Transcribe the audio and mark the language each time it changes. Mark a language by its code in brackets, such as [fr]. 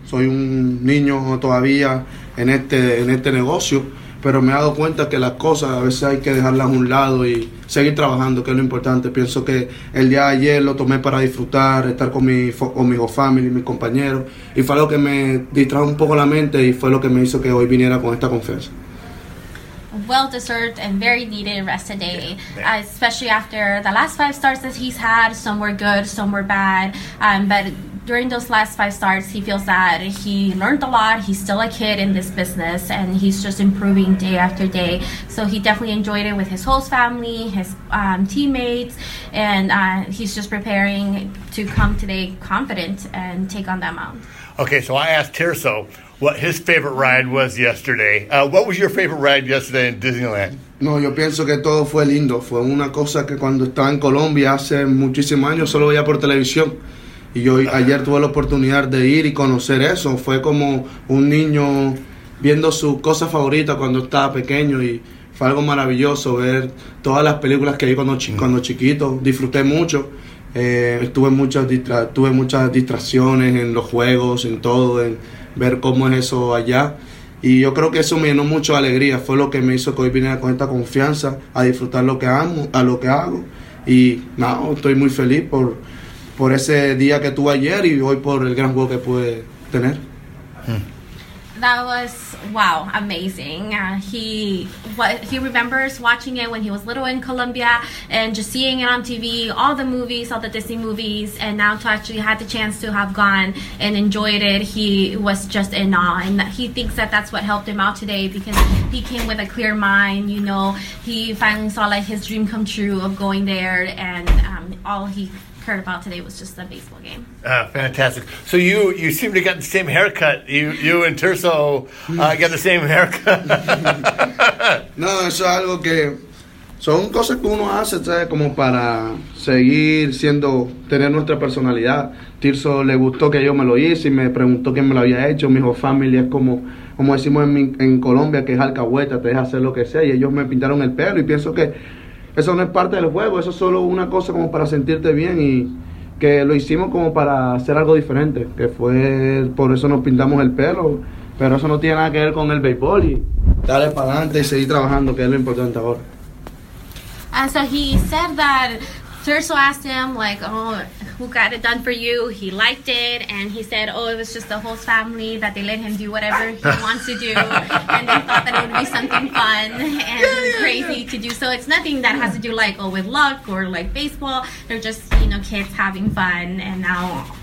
[es] Soy un niño todavía en este negocio, pero me he dado cuenta que las cosas a veces hay que dejarlas a un lado y seguir trabajando, que es lo importante. Pienso que el día de ayer lo tomé para disfrutar, estar con mi family, mis compañeros, y fue lo que me distrajo un poco la mente y fue lo que me hizo que hoy viniera con esta confianza. [en] Well-deserved and very needed rest today, especially after the last 5 starts that he's had. Some were good, some were bad, but during those last 5 starts, he feels that he learned a lot. He's still a kid in this business, and he's just improving day after day. So he definitely enjoyed it with his whole family, his teammates, and he's just preparing to come today confident and take on that mound. Okay, so I asked Tirso what his favorite ride was yesterday. What was your favorite ride yesterday in Disneyland? [es] No, yo pienso que todo fue lindo. Fue una cosa que cuando estaba en Colombia hace muchísimos años solo veía por televisión. Y yo ayer tuve la oportunidad de ir y conocer eso. Fue como un niño viendo su cosa favorita cuando estaba pequeño. Y fue algo maravilloso ver todas las películas que vi cuando chiquito. Disfruté mucho. Tuve muchas distracciones en los juegos, en todo, en ver cómo es eso allá. Y yo creo que eso me llenó mucho de alegría. Fue lo que me hizo que hoy viniera con esta confianza a disfrutar lo que amo, a lo que hago. Y no, estoy muy feliz por ese día que tuve ayer y hoy por el gran juego que pude tener. [en] That was, wow, amazing. He remembers watching it when he was little in Colombia and just seeing it on TV, all the movies, all the Disney movies, and now to actually have the chance to have gone and enjoyed it, he was just in awe. And he thinks that that's what helped him out today, because he came with a clear mind, you know. He finally saw, like, his dream come true of going there, and all he heard about today was just the baseball game. Fantastic. So you seem to get the same haircut. You and Tirso get the same haircut. [es] No, eso es algo que son cosas que uno hace, ¿sabes? Como para seguir siendo, tener nuestra personalidad. Tirso le gustó que yo me lo hice y me preguntó quién me lo había hecho. Mi [en] whole family [es] es como decimos en Colombia, que es alcahueta, te deja hacer lo que sea. Y ellos me pintaron el pelo y pienso que eso no es parte del juego, eso es solo una cosa como para sentirte bien, y que lo hicimos como para hacer algo diferente, que fue por eso nos pintamos el pelo, pero eso no tiene nada que ver con el béisbol, y dale para adelante y seguir trabajando, que es lo importante ahora. [en] So he said that Tirso asked him, like, oh, who got it done for you? He liked it, and he said, oh, it was just the whole family, that they let him do whatever he wants to do, and they thought that it would be something fun and crazy to do. So it's nothing that has to do, like, oh, with luck or, like, baseball. They're just, you know, kids having fun, and now